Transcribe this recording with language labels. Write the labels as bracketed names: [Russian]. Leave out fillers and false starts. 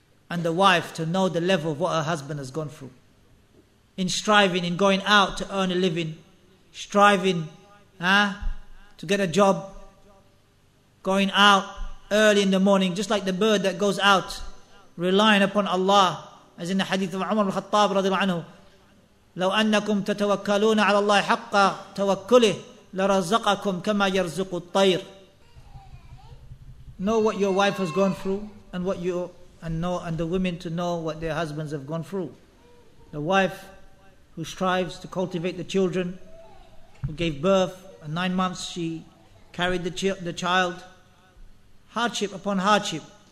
[English] And the wife to know the level of what her husband has gone through. In striving, in going out to earn a living. Striving to get a job. Going out early in the morning, just like the bird that goes out, relying upon Allah. As in the hadith of Umar al-Khattab radiallahu anhu. [Arabic] لو أنكم تتوكلون على الله حق توكله لرزقكم كما يرزق الطير. [English] Know what your wife has gone through, and what you and know, and the women to know what their husbands have gone through. The wife who strives to cultivate the children, who gave birth, and 9 months she carried the child, hardship upon hardship.